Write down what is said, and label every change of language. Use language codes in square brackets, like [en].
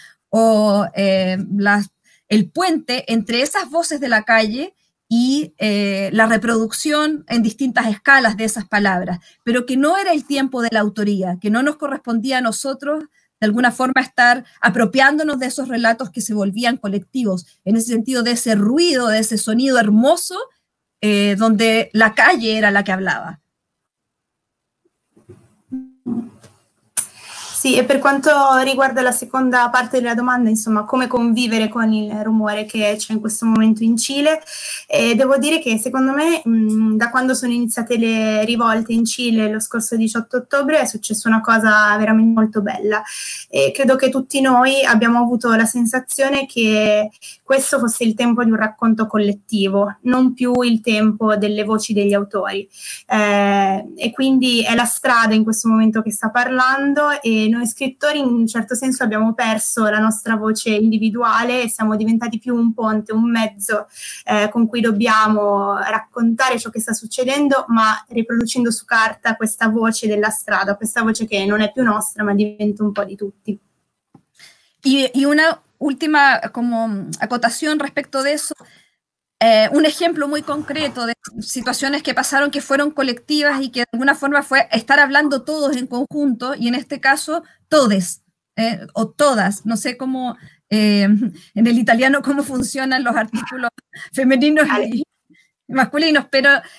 [es] o el puente entre esas voces de la calle y la reproducción en distintas escalas de esas palabras, pero que no era el tiempo de la autoría, que no nos correspondía a nosotros de alguna forma estar apropiándonos de esos relatos que se volvían colectivos, en ese sentido de ese ruido, de ese sonido hermoso, donde la calle era la que hablaba. [it] Sì, e per quanto riguarda la seconda parte della domanda, insomma, come convivere con il rumore che c'è in questo momento in Cile, devo dire che secondo me da quando sono iniziate le rivolte in Cile lo scorso 18 ottobre è successa una cosa veramente molto bella. Credo che tutti noi abbiamo avuto la sensazione che questo fosse il tempo di un racconto collettivo, non più il tempo delle voci degli autori. E quindi è la strada in questo momento che sta parlando e noi scrittori in un certo senso abbiamo perso la nostra voce individuale e siamo diventati più un ponte, un mezzo con cui dobbiamo raccontare ciò che sta succedendo, ma riproducendo su carta questa voce della strada, questa voce che non è più nostra ma diventa un po' di tutti. [es] E una ultima como acotación respecto de eso, un ejemplo muy concreto de situaciones que pasaron que fueron colectivas y que de alguna forma fue estar hablando todos en conjunto, y en este caso, todes, o todas, no sé cómo, en el italiano cómo funcionan los artículos femeninos y masculinos, pero